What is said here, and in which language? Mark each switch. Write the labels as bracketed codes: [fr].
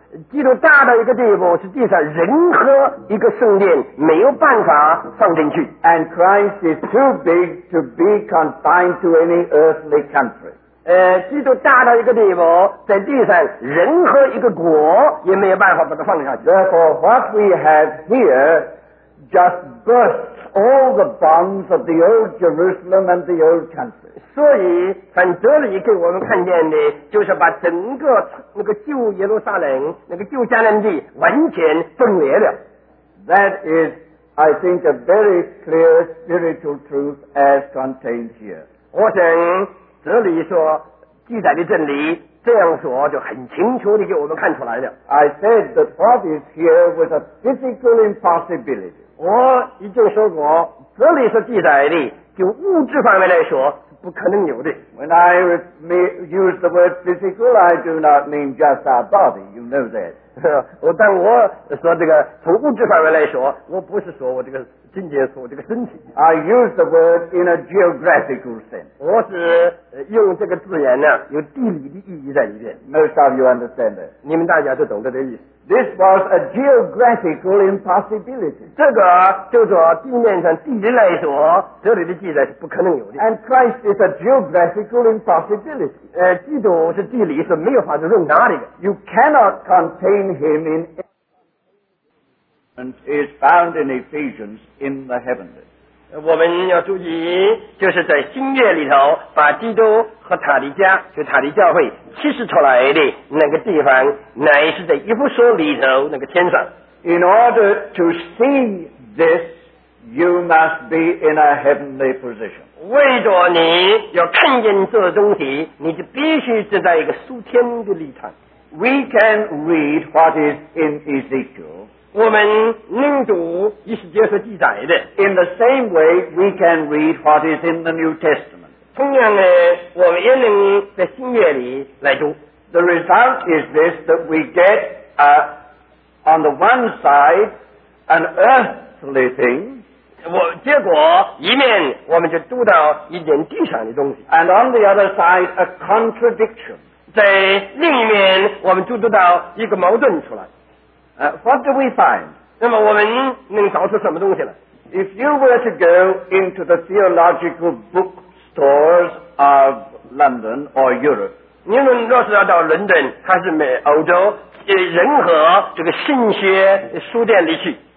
[zh] 基督大到一个地步，实际上任何一个圣殿没有办法放进去。 [en] And Christ is too big to be confined to any earthly country. [zh] 基督大到一个地步，在地上任何一个国也没有办法把它放进去。 [en] Therefore, what we have here just bursts all the bonds of the old Jerusalem and the old country. [zh] 所以从这里给我们看见的就是把整个那个旧耶路撒冷那个旧迦南地完全分裂了。 [en] That is, I think, a very clear spiritual truth as contained here. [zh] 我想这里所记载的真理这样说就很清楚地给我们看出来了。 [en] I said that what is here was a physical impossibility. [zh] 我已经说过这里所记载的就物质方面来说不可能有的。 [en] When I use the word physical, I do not mean just our body. You know that. [zh] 但我说这个从物质方面来说，我不是说我这个境界，说我这个身体。 [en] I use the word in a geographical sense. [zh] 我是用这个字眼呢，有地理的意义在里面。 [en] Most of you understand that. [zh] 你们大家都懂得这意思。 [en] This was a geographical impossibility. [zh] 这个就说地面上地理来说，这里的记载是不可能有的。 [en] And Christ is a geographical impossibility. [zh] 基督是地理是没有法子容纳的。 [en] You cannot contain him in. And is found in Ephesians in the heavenly. [zh] 我们要注意，就是在新约里头把基督和他的家，就他的教会启示出来的那个地方，乃是在以弗所里头那个天上。 [en] In order to see this, you must be in a heavenly position. [zh] 为着你要看见这东西，你就必须是在一个属天的立场。 [en] We can read what is in Ezekiel. [zh] 我们能读以西结和记载的。 [en] In the same way, we can read what is in the New Testament. [zh] 同样的，我们也能在新约里来读。 [en] The result is this, that we get, on the one side, an earthly thing. [zh] 结果一面我们就读到一点地上的东西。 [en] And on the other side, a contradiction. [zh] 在另一面我们就读到一个矛盾出来。 [en] What do we find? [zh] 那么我们能找出什么东西来？ [en] If you were to go into the theological bookstores of London or Europe, [zh] 你们若是要到伦敦还是美欧洲任何这个神学书店里去，